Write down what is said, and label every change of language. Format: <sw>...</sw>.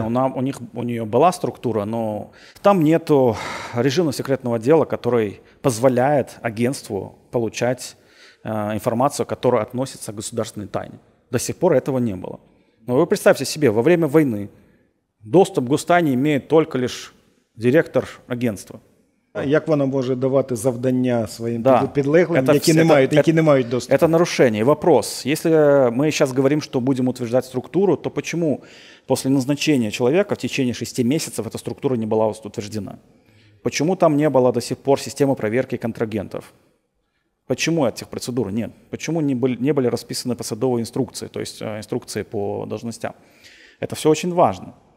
<ru>Нет, у нее была структура, но там нету режима секретного дела, который позволяет агентству получать информацию, которая относится к государственной тайне. До сих пор этого не было. Но вы представьте себе, во время войны доступ к гостайне имеет только лишь директор агентства.</ru> <uk>Як вона може давати завдання своїм підлеглим, які не мають доступу?</uk> <ru>Это нарушение. Вопрос. Если мы сейчас говорим, что будем утверждать структуру, то почему после назначения человека в течение 6 месяцев эта структура не была утверждена? Почему там не было до сих пор системы проверки контрагентов? Почему этих процедур нет? Почему не были расписаны посадовые инструкции, то есть инструкции по должностям? Это все очень важно.</ru>